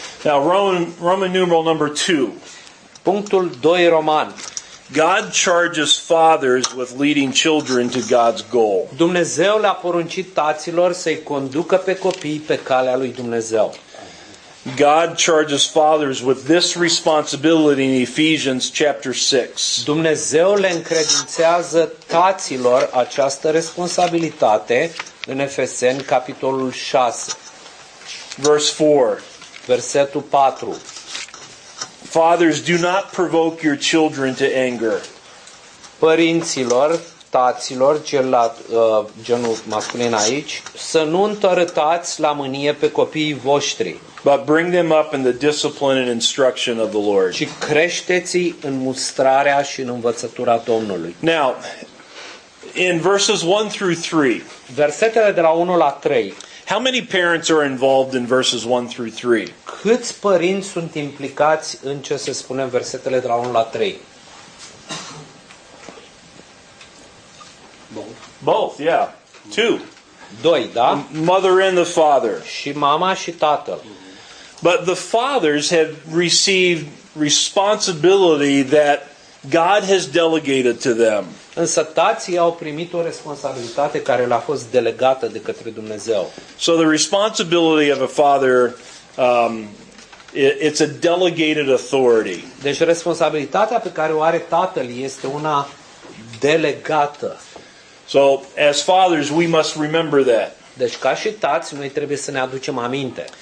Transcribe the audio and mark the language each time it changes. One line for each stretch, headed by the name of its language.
English: Now, Roman numeral number 2.
Romanian: Punctul 2 roman.
English: God charges fathers with leading children to God's goal.
Romanian: Dumnezeu le-a poruncit taților să-i conducă pe copii pe calea lui Dumnezeu.
English: God charges fathers with this responsibility in Ephesians chapter 6.
Romanian: Dumnezeu le încredințează taților această responsabilitate în Efeseni capitolul 6.
English: Verse 4.
Romanian: Versetul 4.
English: Fathers, do not provoke your children to anger.
Romanian: Părinților, taților, genul masculin aici, să nu întărâtați la mânie pe copiii voștri.
English: But bring them up in the discipline and instruction of the Lord.
Romanian: Și creșteți-i în mustrarea și în învățătura Domnului.
English: Now, in verses 1 through 3.
Romanian: Versetele de la 1 la 3.
English: How many parents are involved in verses 1 through 3?
Romanian: Câți părinți sunt implicați în ce se spune în versetele de la 1 la 3?
English: Both, yeah. Two.
Romanian: Doi, da?
English: Mother and the father.
Romanian: Și mama și tatăl.
English: But the fathers have received responsibility that God has delegated to them.
Romanian: Însă tații au primit o responsabilitate care le-a fost delegată de către Dumnezeu.
English: So the responsibility of a father, it's a delegated authority.
Romanian: Deci responsabilitatea pe care o are tatăl este una delegată.
English: So as fathers, we must remember that.
Romanian: Deci ca și tați, noi trebuie să ne aducem aminte.